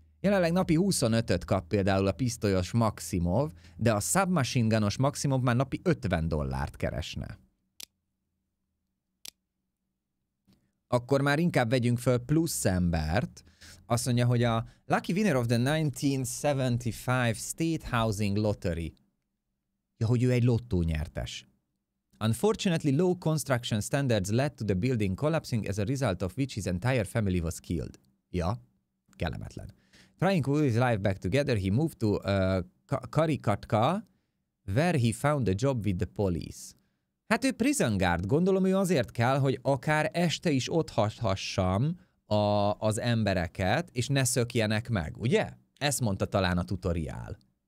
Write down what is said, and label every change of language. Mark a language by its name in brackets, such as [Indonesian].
[Hungarian] Jelenleg napi 25-öt kap például a pisztolyos Maximov, de a submachine gunos Maximov már napi 50 dollárt keresne. Akkor már inkább vegyünk föl plusz embert. Azt mondja, hogy a [English] Lucky Winner of the 1975 State Housing Lottery. [Hungarian] Ja, hogy ő egy lottó nyertes. [English] Unfortunately, low construction standards led to the building collapsing as a result of which his entire family was killed. [Hungarian] Ja, kellemetlen. [English] Trying to put his life back together, he moved to Karikatka, where he found a job with the police. [Hungarian] Hát ő prison guard, gondolom ő azért kell, hogy akár este is ott hagyhassam az embereket, és ne szökjenek meg, ugye? Ezt mondta talán a tutoriál.